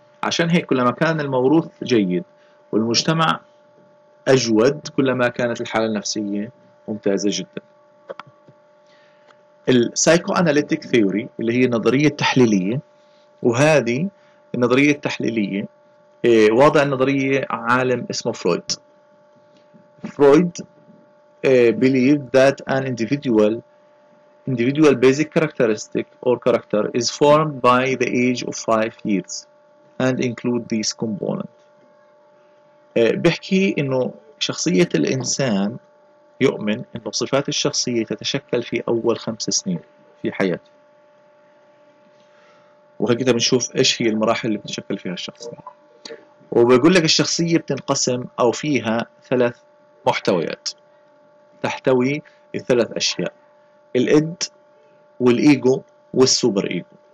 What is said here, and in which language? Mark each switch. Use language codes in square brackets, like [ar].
[ar] عشان هيك كلما كان الموروث جيد والمجتمع أجود، كلما كانت الحالة النفسية ممتازة جدا. السايكوأناليتيك ثيوري اللي هي النظرية التحليلية، وهذه النظرية التحليلية وضع النظرية عالم اسمه فرويد. [en] Freud believed that an individual basic characteristic or character is formed by the age of 5 years and include these components. [ar] بحكي انه شخصية الانسان يؤمن انه صفات الشخصية تتشكل في اول 5 سنين في حياته. وهكذا بنشوف ايش هي المراحل اللي بتشكل فيها الشخصية. وبيقول لك الشخصية بتنقسم او فيها 3 محتويات تحتوي الثلاث اشياء: الإد والإيجو والسوبر إيجو.